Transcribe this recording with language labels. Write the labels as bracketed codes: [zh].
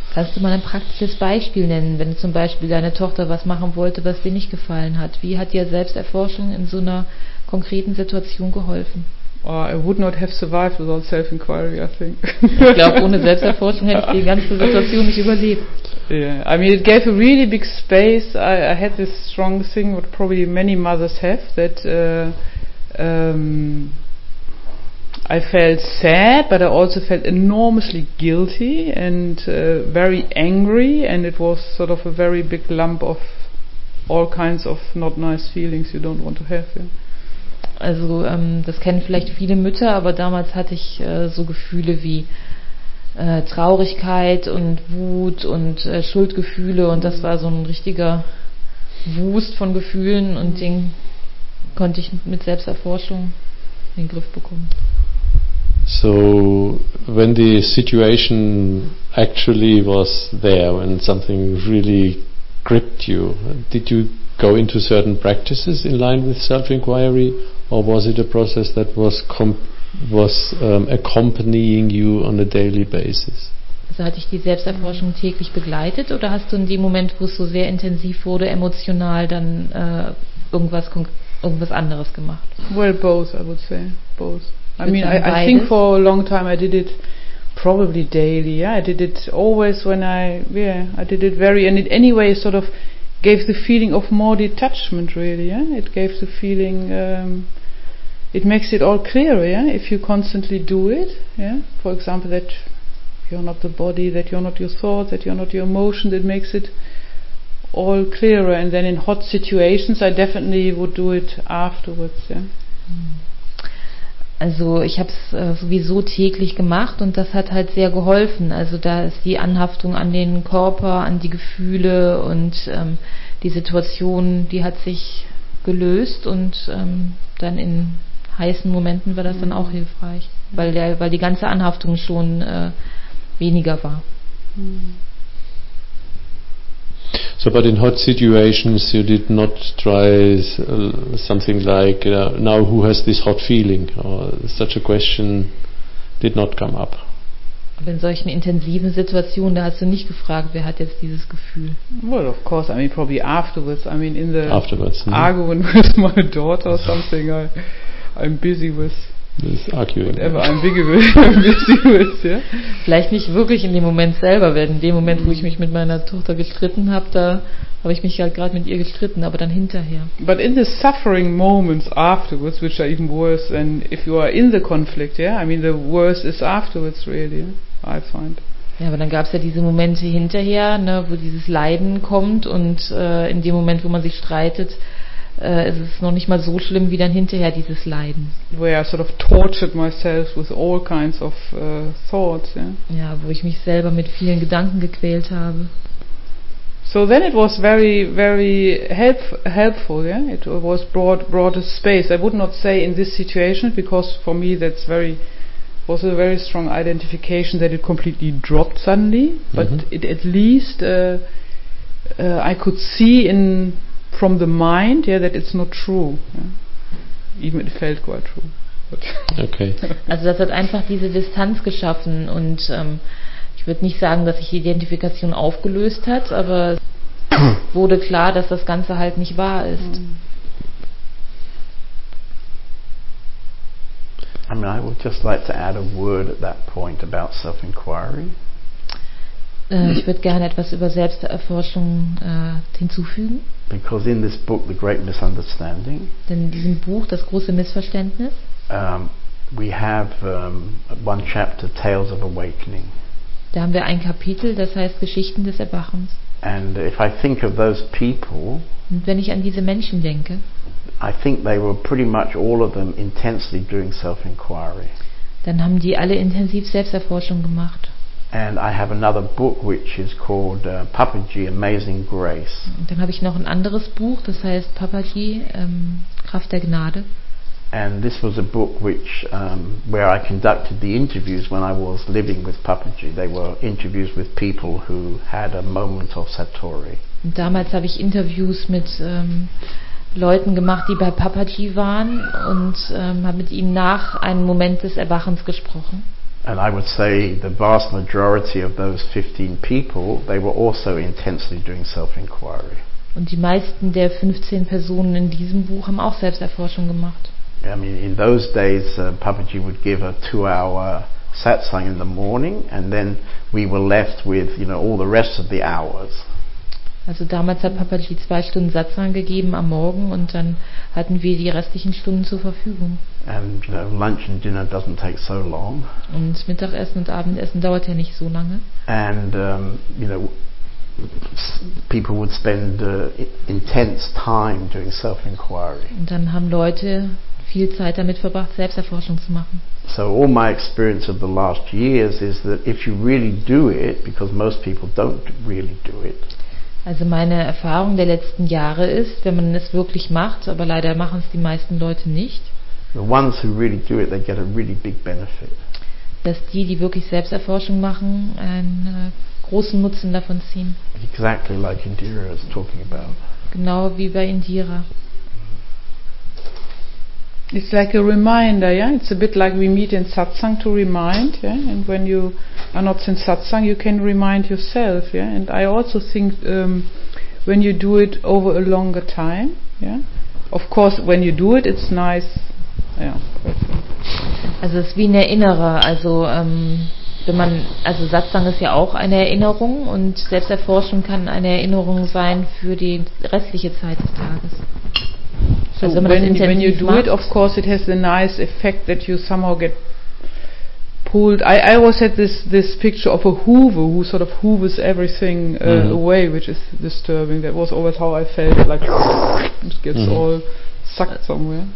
[de] Kannst du mal ein praktisches Beispiel nennen, wenn zum Beispiel deine Tochter was machen wollte, was dir nicht gefallen hat? Wie hat dir Selbsterforschung in so einer konkreten Situation geholfen? [en] I would not have survived without self-inquiry, I think. [de] Ich glaube, ohne Selbsterforschung hätte ich die ganze Situation nicht überlebt. [en] Yeah, I mean, it gave a really big space. I had this strong thing, what probably many mothers have, that I felt sad, but I also felt enormously guilty and very angry, and it was sort of a very big lump of all kinds of not nice feelings you don't want to have. Yeah. [de] Also das kennen vielleicht viele Mütter, aber damals hatte ich so Gefühle wie Traurigkeit und Wut und Schuldgefühle, und das war so ein richtiger Wust von Gefühlen, und den konnte ich mit Selbsterforschung in den Griff bekommen. [en] So when the situation actually was there, when something really gripped you, did you go into certain practices in line with self-inquiry? Or was it a process that was accompanying you on a daily basis? [de] Also hat dich die Selbsterforschung täglich begleitet, oder hast du in dem Moment, wo es so sehr intensiv wurde, emotional dann irgendwas irgendwas anderes gemacht? [en] Well, both, I would say. Both. I mean, I think for a long time I did it probably daily. Yeah, I did it always when I did it very, and it anyway sort of gave the feeling of more detachment, really. Yeah, it gave the feeling, it makes it all clearer, yeah, if you constantly do it. Yeah, for example, that you're not the body, that you're not your thoughts, that you're not your emotions, it makes it all clearer. And then in hot situations, I definitely would do it afterwards. Yeah. [de] Also ich habe es sowieso täglich gemacht und das hat halt sehr geholfen. Also da ist die Anhaftung an den Körper, an die Gefühle und die Situation, die hat sich gelöst und dann in heißen Momenten war das dann auch hilfreich, weil die ganze Anhaftung schon weniger war. [en] So, but in hot situations you did not try something like, now who has this hot feeling? Or such a question did not come up. [de] Aber in solchen intensiven Situationen, da hast du nicht gefragt, wer hat jetzt dieses Gefühl? [en] Well, of course, I mean, probably afterwards. I mean, in the afterwards, arguing with my daughter or something, I'm busy with. This arguing. Whatever I'm busy with, yeah. [de] Vielleicht nicht wirklich in dem Moment selber, weil in dem Moment, wo ich mich mit meiner Tochter gestritten habe, da habe ich mich halt gerade mit ihr gestritten, aber dann hinterher. [en] But in the suffering moments afterwards, which are even worse than if you are in the conflict, yeah? I mean, the worst is afterwards, really, I find. [de] Ja, aber dann gab es ja diese Momente hinterher, ne, wo dieses Leiden kommt und in dem Moment, wo man sich streitet, es ist noch nicht mal so schlimm wie dann hinterher dieses Leiden. [en] Where I sort of tortured myself with all kinds of thoughts. Yeah? [de] Ja, wo ich mich selber mit vielen Gedanken gequält habe. [en] So then it was very, very helpful. Yeah, it was brought a space. I would not say in this situation, because for me that's very was a very strong identification that it completely dropped suddenly. Mm-hmm. But it at least I could see in from the mind, yeah, that it's not true. Yeah. Even it felt quite true. But okay. [de] Also das hat einfach diese Distanz geschaffen und ich würde nicht sagen, dass sich die Identifikation aufgelöst hat, aber es wurde klar, dass das Ganze halt nicht wahr ist. [en] I mean, I would just like to add a word at that point about self-inquiry. [de] Ich würde gerne etwas über Selbsterforschung hinzufügen. [en] Because in this book, The Great Misunderstanding, [de] denn in diesem Buch, Das große Missverständnis, [en] we have one chapter, Tales of Awakening. [de] Da haben wir ein Kapitel, das heißt Geschichten des Erwachens. [en] And if I think of those people, [de] und wenn ich an diese Menschen denke, [en] I think they were pretty much all of them intensely doing self-inquiry. [de] Dann haben die alle intensiv Selbsterforschung gemacht. [en] And I have another book which is called Papaji, Amazing Grace. [de] Und dann habe ich noch ein anderes Buch, das heißt Papaji, Kraft der Gnade. [en] And this was a book which where I conducted the interviews when I was living with Papaji. They were interviews with people who had a moment of Satori. [de] Und damals habe ich Interviews mit Leuten gemacht, die bei Papaji waren und habe mit ihnen nach einem Moment des Erwachens gesprochen. [en] And I would say the vast majority of those 15 people, they were also intensely doing self-inquiry. [de] Und die meisten der 15 Personen in diesem Buch haben auch Selbsterforschung gemacht. [en] I mean, in those days, Papaji would give a 2-hour satsang in the morning, and then we were left with, you know, all the rest of the hours. [de] Also damals hat Papaji 2 Stunden Satsang gegeben am Morgen und dann hatten wir die restlichen Stunden zur Verfügung. [en] And, you know, lunch and dinner doesn't take so long. [de] Und Mittagessen und Abendessen dauert ja nicht so lange. [en] And you know, people would spend intense time doing self-inquiry. [de] Und dann haben Leute viel Zeit damit verbracht, Selbsterforschung zu machen. [en] So all my experience of the last years is that if you really do it, because most people don't really do it. [de] Also meine Erfahrung der letzten Jahre ist, wenn man es wirklich macht, aber leider machen es die meisten Leute nicht, [en] the ones who really do it, they get a really big benefit. [de] Dass die, die wirklich Selbsterforschung machen, einen großen Nutzen davon ziehen. [en] Exactly like Indira is talking about. [de] Genau wie bei Indira. [en] It's like a reminder, yeah? It's a bit like we meet in satsang to remind, yeah? And when you are not in satsang, you can remind yourself, yeah? And I also think when you do it over a longer time, yeah? of course, when you do it, it's nice. Yeah. [de] Also es ist wie ein Erinnerer. Also wenn man, also Satsang ist ja auch eine Erinnerung und Selbsterforschung kann eine Erinnerung sein für die restliche Zeit des Tages. [en] So also when you do it, of course, it has a nice effect that you somehow get pulled. I always had this picture of a hoover who sort of hoovers everything away, which is disturbing. That was always how I felt, like it gets all sucked somewhere.